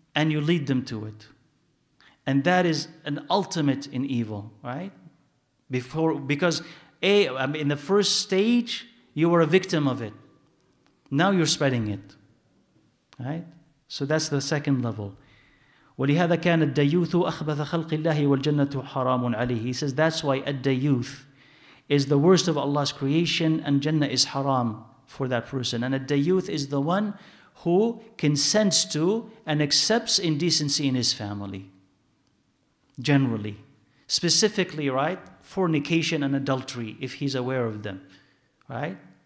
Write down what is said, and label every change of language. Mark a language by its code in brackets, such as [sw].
[en] And you lead them to it. And that is an ultimate in evil, right? Because in the first stage, you were a victim of it. Now you're spreading it, right? So that's the second level. [ar] ولهذا كان الديوث أخبث خلق الله والجنة حرام عليه. [en] He says that's why الديوث is the worst of Allah's creation and Jannah is haram for that person. And الديوث is the one who consents to and accepts indecency in his family, generally. Specifically, right? Fornication and adultery, if he's aware of them, right?